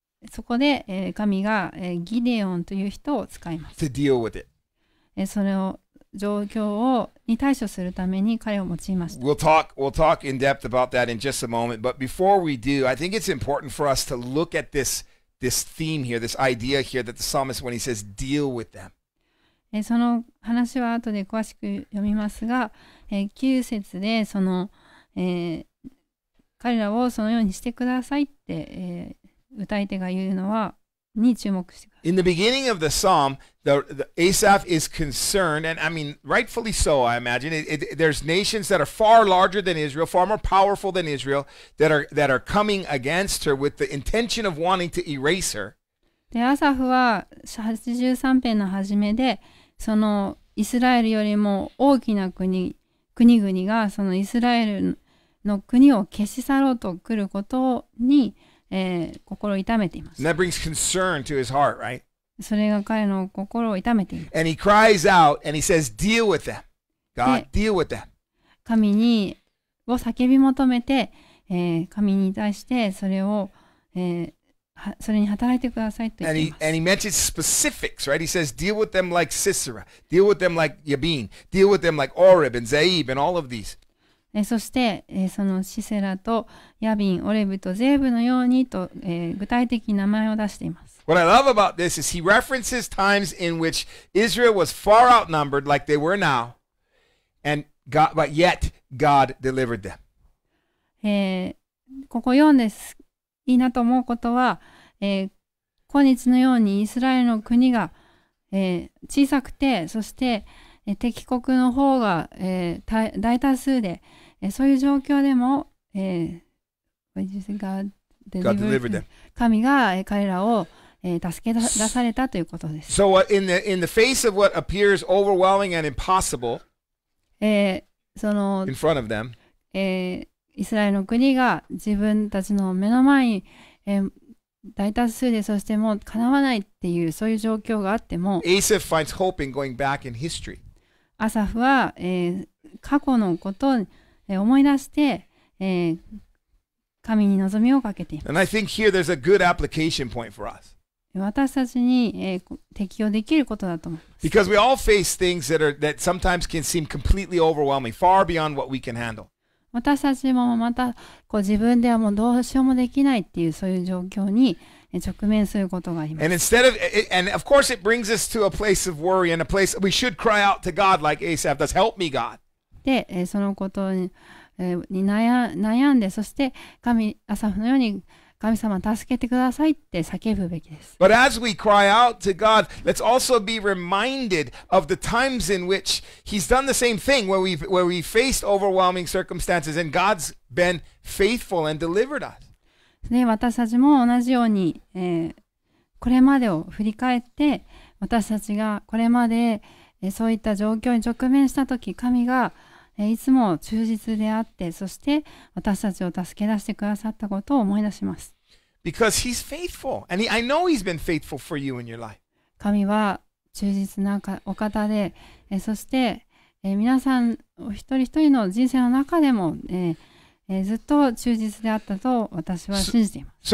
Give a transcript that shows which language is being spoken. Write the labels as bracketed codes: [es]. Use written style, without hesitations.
[ja] そこで、神が、ギデオンという人を使います。 [en] To deal with it. [ja] それを状況をに対処するために彼を用いました。 [en] We'll talk in depth about that in just a moment. But before we do, I think it's important for us to look at thisThis theme here, this idea here that the psalmist, when he says, deal with them. [ja] その話は後で詳しく読みますが、9節でその、彼らをそのようにしてくださいって、歌い手が言うのはに注目してください。 [en] In the beginning of the psalm, the Asaph is concerned, and I mean, rightfully so, I imagine. There's nations that are far larger than Israel, far more powerful than Israel, that are coming against her with the intention of wanting to erase her. [ja] で、アサフは83編の始めで、そのイスラエルよりも大きな国々がそのイスラエルの国を消し去ろうと来ることに、心を痛めています。 [en] And that brings concern to his heart, right? [ja] それが彼の心を痛めています。 [en] And he cries out and he says, deal with them. God, deal with them. [ja] 神にを叫び求めて、神に対してそれを、それに働いてくださいと言っています。 [en] And he mentions specifics, right? He says, deal with them like Sisera. Deal with them like Yabin. Deal with them like Oreb and Zeeb and all of these. [ja] そして、そのシセラとヤビン、オレブとゼーブのようにと、具体的に名前を出しています。 [en] What I love about this is he references times in which Israel was far outnumbered like they were now, and God, but yet God delivered them. [ja] ここ読んでいいなと思うことは、今日のようにイスラエルの国が、小さくて、そして敵国の方が、大多数で、そういう状況でも、 [en] God delivered them. [ja] 神が、彼らを、助け出されたということです。 [en] So, in the face of what appears overwhelming and impossible, in front of them, [ja] イスラエルの国が自分たちの目の前に、大多数でそしてもう叶わないっていうそういう状況があっても、 [en] Asaph finds hope in going back in history. [ja] アサフは、過去のことを思い出して、神に望みをかけています。 [en] And I think here there's a good application point for us. [ja] 私たちに、適用できることだと思います。 [en] Because we all face things that sometimes can seem completely overwhelming, far beyond what we can handle. [ja] 私たちもまたこう自分ではもうどうしようもできないっていうそういう状況に直面することがあります。 [en] And instead of, and of course it brings us to a place of worry and a place we should cry out to God like Asaph does, help me God. [ja] で、そのことに悩んで、そして神、アサフのように神様助けてくださいって叫ぶべきです。 [en] But as we cry out to God, let's also be reminded of the times in which He's done the same thing where we faced overwhelming circumstances and God's been faithful and delivered us. [ja] で私たちも同じように、これまでを振り返って私たちがこれまで、そういった状況に直面したとき神が、いつも忠実であってそして私たちを助け出してくださったことを思い出します。 [en] Because he's faithful and I know he's been faithful for you in your life. [ja] 神は忠実なお方で、そして、皆さんお一人一人の人生の中でも、ずっと忠実であったと私は信じています。